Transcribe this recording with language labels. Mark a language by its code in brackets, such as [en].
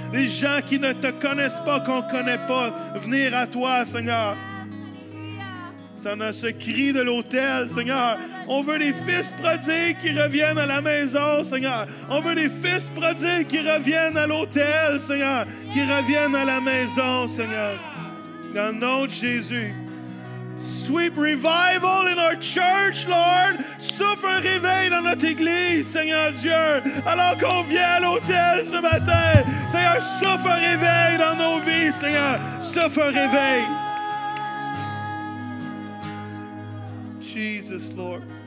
[fr] Les gens qui ne te connaissent pas, qu'on ne connaît pas, venir à toi, Seigneur. Ça n'a ce cri de l'autel, Seigneur. On veut les fils prodigues qui reviennent à la maison, Seigneur. On veut les fils prodigues qui reviennent à l'autel, Seigneur. Qui reviennent à la maison, Seigneur. Dans le nom de Jésus. [en] Sweep revival in our church, Lord. [fr] Souffle un réveil dans notre église, Seigneur Dieu. Alors qu'on vient à l'autel ce matin, Seigneur, souffle un réveil dans nos vies, Seigneur. Souffle un réveil. [en] Jesus, Lord.